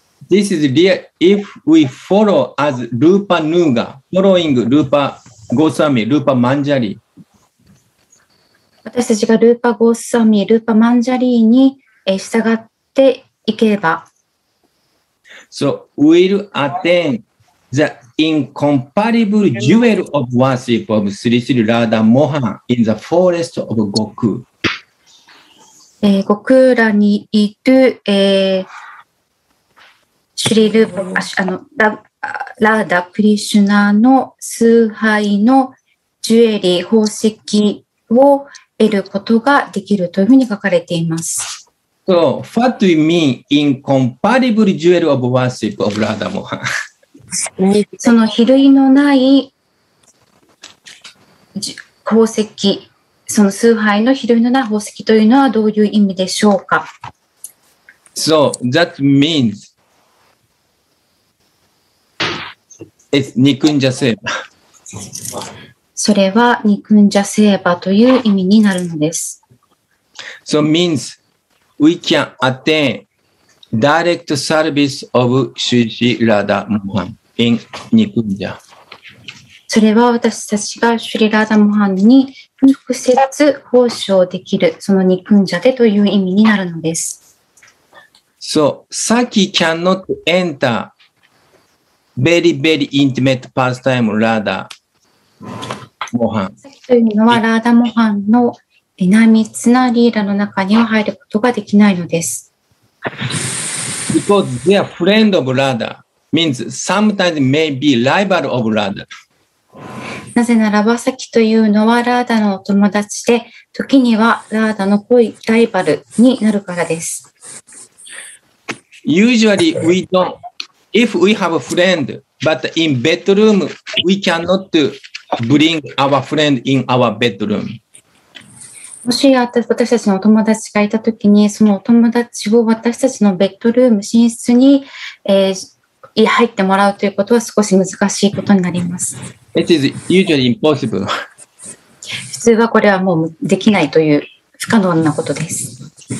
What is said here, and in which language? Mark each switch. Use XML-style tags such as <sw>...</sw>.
<en>This is real. If we follow as Rupa Nuga, following Rupa Goswami, Rupa Manjari,</en> <ja>私たちがルーパゴースワミ、ルーパマンジャリーに従っていけば、</ja> <en>So we'll attain the incomparable jewel of worship of Sri Sri Radha Mohan in the forest of Goku.</en> <ja>Goku らにいる、シリルーパ、ラーダ、クリシュナの崇拝のジュエリー、宝石を得ることができるというふうに書かれています。</ja> <en>So, what do you mean incomparable jewel of worship of Radha Mohan?</en> <ja>その比類のない宝石、その崇拝の比類のない宝石というのはどういう意味でしょうか?</ja> <en>So, that means is Nikunja Seva.</en> <ja>それは Nikunja Seva という意味になるのです。</ja> <en>So means we can attain direct service of Shuji Radha Mohan in Nikunja.</en> <ja>それは私たちがシュリラダモハンに直接奉仕できるその憎んじゃでという意味になるのです。</ja> <en>So, Saki cannot enter very, very intimate pastime Radha Mohan.</en> <ja>Saki というのはラダモハンの内密なリーラの中には入ることができないのです。</ja> <en>Because they are friend of Radha means sometimes may be rival of Radha.</en> <ja>なぜならば、サキというのはラーダのお友達で、時にはラーダの濃いライバルになるからです。</ja> <en>Usually we don't, if we have a friend, but in bedroom, we cannot bring our friend in our bedroom.</en> <ja>もし私たちのお友達がいたときに、そのお友達を私たちのベッドルーム、寝室に、入ってもらうということは少し難しいことになります。</ja> <en>It is usually impossible.</en> <ja>普通はこれはもうできないという不可能なことです。</ja>